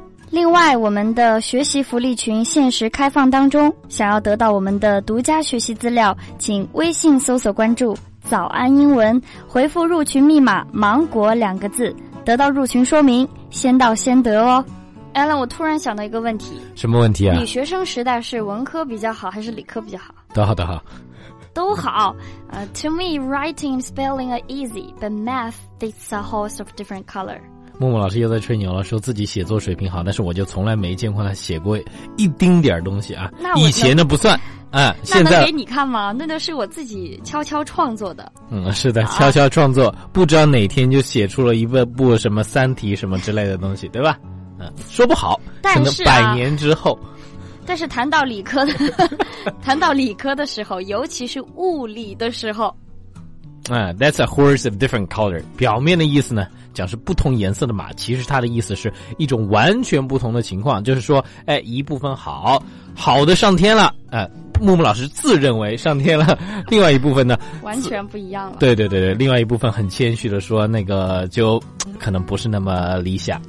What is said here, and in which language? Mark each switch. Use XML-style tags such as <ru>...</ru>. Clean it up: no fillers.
<zh>另外，我们的学习福利群限时开放当中，想要得到我们的独家学习资料，请微信搜索关注早安英文，回复入群密码芒果两个字，得到入群说明，先到先得哦。 Alan， 我突然想到一个问题。什么问题啊？你学生时代是文科比较好还是理科比较好？都好都好。都好。</zh> <en>To me writing and spelling are easy, but math fits a horse of different color。</en> <zh>木木老师又在吹牛了，说自己写作水平好，但是我就从来没见过他写过一丁点东西啊。那以前的不算，现在那能给你看吗？那都是我自己悄悄创作的。嗯，是的，悄悄创作，不知道哪天就写出了一部什么三体什么之类的东西，对吧？说不好，但是可能百年之后。但是谈到理科的，谈到理科的时候，尤其是物理的时候。</zh> <en>That's a horse of different color.</en> <zh>表面的意思呢，讲是不同颜色的马，其实它的意思是一种完全不同的情况，就是说，哎，一部分好，好的上天了，木木老师自认为上天了，另外一部分呢，完全不一样了。对对对对，另外一部分很谦虚的说，那个就可能不是那么理想。</zh>